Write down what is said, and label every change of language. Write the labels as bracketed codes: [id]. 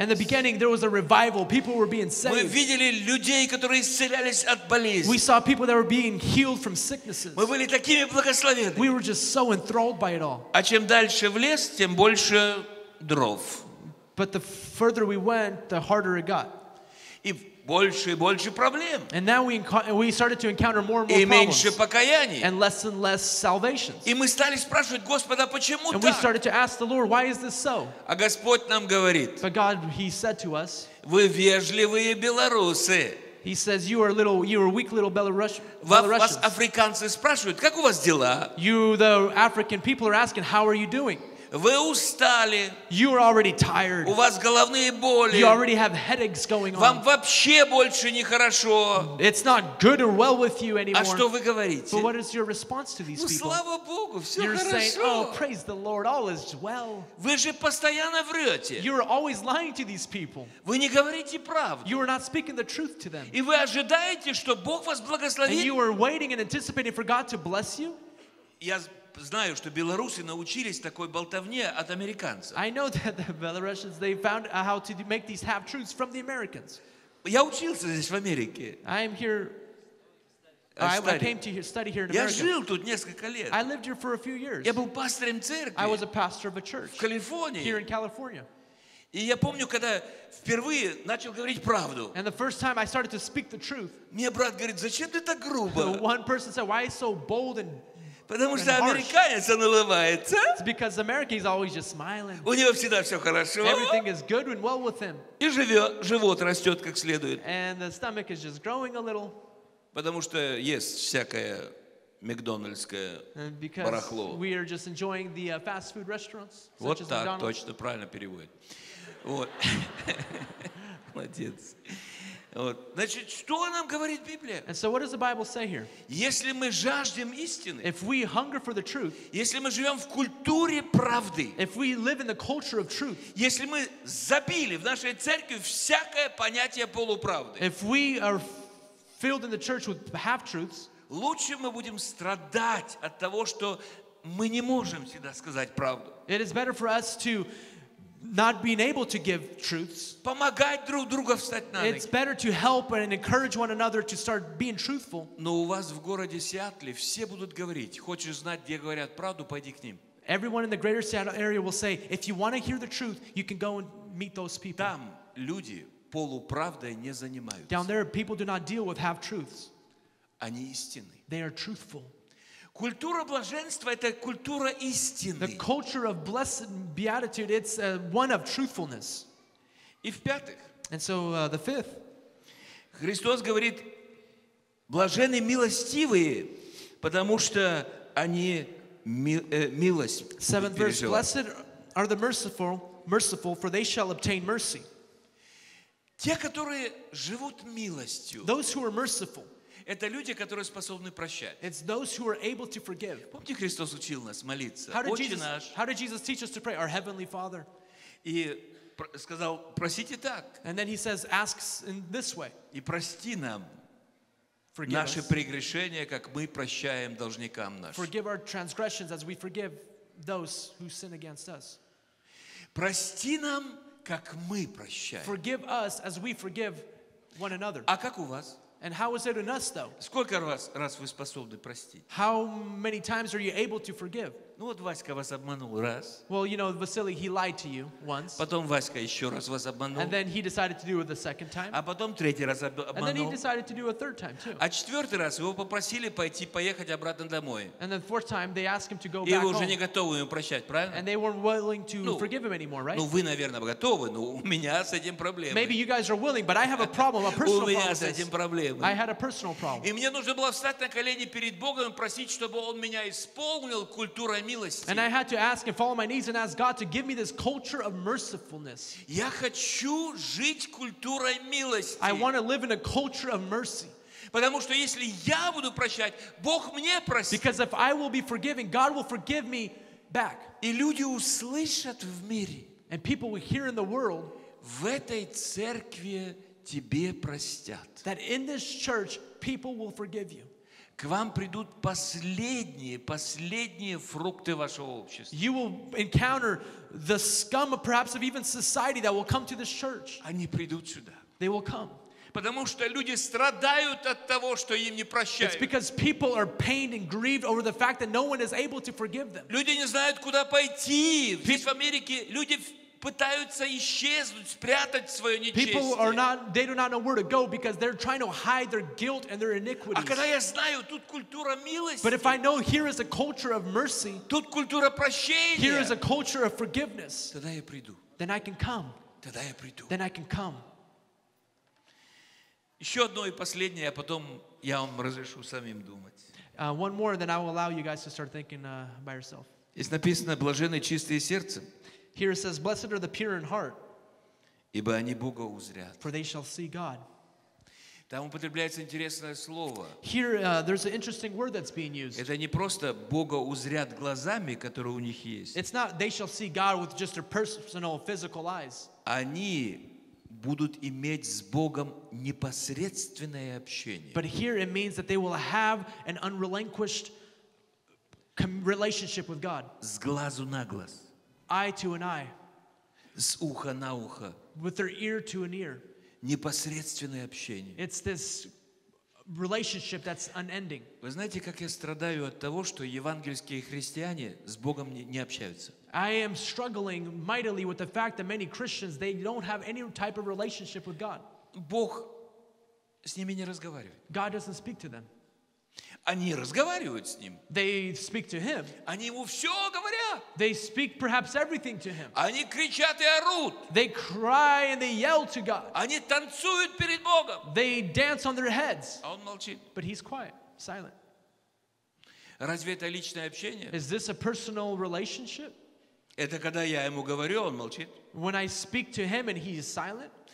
[en] In the beginning there was a revival, people were being saved. [ru] Мы видели людей, которые исцелялись от болезней. [en] We saw people that were being healed from sicknesses. [ru] Мы были такими благословенными. [en] We were just so enthralled by it all. [ru] А чем дальше в лес, тем больше дров. [en] But the further we went, the harder it got. [ru] Больше и больше проблем. [en] And now we started to encounter more and more problems. [ru] И меньше покаяний. [en] And less salvations. [ru] И мы стали спрашивать Господа, почему так? [en] And we started to ask the Lord, why is this so? [ru] А Господь нам говорит. [en] But God, he said to us. [ru] Вы вежливые белорусы. [en] He says, you are weak little Belarusians. [ru] Вас африканцы спрашивают, как у вас дела? [en] You, the African people, are asking, how are you doing? [ru] Вы устали. [en] You are already tired. [ru] У вас головные боли. [en] You already have headaches going on. [ru] Вам вообще больше нехорошо. [en] It's not good or well with you anymore. [ru] А что вы говорите? [en] But what is your response to these [ru] ну, [en] people? [ru] Слава Богу, все [en] You're [ru] хорошо. [en] Saying, oh, praise the Lord, all is well. [ru] Вы же постоянно врете. [en] You are always lying to these people. [ru] Вы не говорите правду. [en] You are not speaking the truth to them. [ru] И вы ожидаете, что Бог вас благословит? [en] And you are waiting and anticipating for God to bless you? [ru] Знаю, что белорусы научились такой болтовне от американцев. [en] I know that the Belarusians they found how to make these half-truths from the Americans. [ru] Я учился здесь в Америке. [en] I am here. I came to study here in America. [ru] Я жил тут несколько лет. [en] I lived here for a few years. [ru] Я был пастором церкви. [en] I was a pastor of a church. [ru] В Калифорнии. [en] Here in California. [ru] И я помню, когда впервые начал говорить правду. [en] And the first time I started to speak the truth. [ru] Мне брат говорит, зачем ты так грубо? [en] One person said, why are you so bold and [ru] Потому что американец он улыбается. [en] It's because America is always just smiling. [ru] У него всегда все хорошо. [en] Everything is good and well with him. [ru] И живет, живот растет как следует. [en] And the stomach is just growing a little. [ru] Потому что есть всякое макдональдское барахло. [en] We are just enjoying the fast food restaurants. Such [ru] вот [en] as [ru] так, [en] McDonald's. [ru] Точно правильно переводит. Вот. Молодец. Вот. Значит, что нам говорит Библия? [en] And so what does the Bible say here? [ru] Если мы жаждем истины, [en] if we hunger for the truth, [ru] если мы живем в культуре правды, [en] if we live in the culture of truth, [ru] если мы забили в нашей церкви всякое понятие полуправды, [en] if we are filled in the church with half-truths, [ru] лучше мы будем страдать от того, что мы не можем всегда сказать правду. [en] It is better for us to not being able to give truths. [ru] Помогать друг другу встать на ноги. [en] It's better to help and encourage one another to start being truthful. [ru] Но у вас в городе Сиэтле все будут говорить, хочешь знать, где говорят правду, пойди к ним. [en] Everyone in the greater Seattle area will say, if you want to hear the truth, you can go and meet those people. [ru] Там люди полуправдой не занимаются. [en] Down there, people do not deal with half-truths. [ru] Они истинны. [en] They are truthful. [ru] Культура блаженства — это культура истины. [en] The culture of blessed beatitude, it's one of truthfulness. [ru] И в-пятых. [en] And so the fifth. [ru] Христос говорит: блаженны милостивые, потому что они [en] Seventh verse, blessed are the merciful, for they shall obtain mercy. [ru] Те, которые живут милостью. [en] Those who are merciful. [ru] Это люди, которые способны прощать. [en] It's those who are able to forgive. [ru] Помните, Христос учил нас молиться. Отче наш. [en] How did Jesus teach us to pray? Our heavenly Father. [ru] И сказал: просите так. [en] And then he says, ask in this way. [ru] И прости нам наши прегрешения, как мы прощаем должникам нашим. [en] Forgive our transgressions as we forgive those who sin against us. [ru] Прости нам, как мы прощаем. [en] Forgive us as we forgive one another. [ru] А как у вас? [en] And how is it in us, though? [ru] Сколько раз вы способны простить? [en] How many times are you able to forgive? [ru] Ну вот Васька вас обманул раз. [en] Well, you know, Vasily, he lied to you once. [ru] Потом Васька еще раз вас обманул. [en] And then he decided to do it the second time. [ru] А потом третий раз обманул. [en] And then he decided to do it a third time too. [ru] А четвертый раз его попросили пойти поехать обратно домой. [en] And then fourth time they asked him to go [ru] и [en] back home. [ru] И вы уже не готовы ему прощать, правильно? [en] And they weren't willing to forgive him anymore, right? [ru] Ну вы, наверное, готовы, но у меня с этим проблемы. [en] Maybe you guys are willing, but I have a problem, a personal problem. [ru] У меня с этим проблемы. [en] I had a personal problem. [ru] И мне нужно было встать на колени перед Богом и просить, чтобы он меня исполнил культурой. [en] And I had to ask and fall on my knees and ask God to give me this culture of mercifulness. [ru] Я хочу жить культурой милости. [en] I want to live in a culture of mercy. [ru] Потому что если я буду прощать, Бог мне простит. [en] Because if I will be forgiving, God will forgive me back. [ru] И люди услышат в мире. [en] And people will hear in the world. [ru] В этой церкви тебе простят. [en] That in this church, people will forgive you. [ru] К вам придут последние фрукты вашего общества. [en] You will encounter the scum of perhaps of even society that will come to this church. [ru] Они придут сюда. [en] They will come. [ru] Потому что люди страдают от того, что им не прощают. [en] It's because people are pained and grieved over the fact that no one is able to forgive them. [ru] Люди не знают, куда пойти. Здесь в Америке люди пытаются исчезнуть, спрятать свое нечестие. [en] People are not, they do not know where to go because they're trying to hide their guilt and their iniquities. [ru] А когда я знаю, тут культура милости. [en] But if I know here is a culture of mercy. [ru] Тут культура прощения. [en] Here is a culture of forgiveness. [ru] Тогда я приду. [en] Then I can come. [ru] Тогда я приду. [en] Then I can come. [ru] Еще одно и последнее, а потом я вам разрешу самим думать. [en] One more, then I will allow you guys to start thinking by yourself. [ru] Здесь написано: блаженные чистые сердцем. [en] Here it says, blessed are the pure in heart, [ru] ибо они Бога узрят. [en] For they shall see God. [ru] Там употребляется интересное слово. [en] Here, there's an interesting word that's being used. [ru] Это не просто Бога узрят глазами, которые у них есть. [en] It's not they shall see God with just their personal physical eyes. [ru] Они будут иметь с Богом непосредственное общение. [en] But here it means that they will have an unrelinquished relationship with God. [ru] С глазу на глаз. [en] Eye to an eye. [ru] С уха на ухо. [en] With their ear to an ear. [ru] Непосредственное общение. [en] It's this relationship that's unending. [ru] Вы знаете, как я страдаю от того, что евангельские христиане с Богом не общаются. [en] I am struggling mightily with the fact that many Christians, they don't have any type of relationship with God. [ru] Бог с ними не разговаривает. [en] God doesn't speak to them. [ru] Они разговаривают с ним. [en] They speak to him. [ru] Они ему все говорят. [en] They speak perhaps everything to him. [ru] Они кричат и орут. [en] They cry and they yell to God. [ru] Они танцуют перед Богом. [en] They dance on their heads. [ru] А он молчит. [en] But he's quiet, silent. [ru] Разве это личное общение? [en] Is this a personal relationship? [ru] Это когда я ему говорю, он молчит. [en] When I speak to him and he is silent.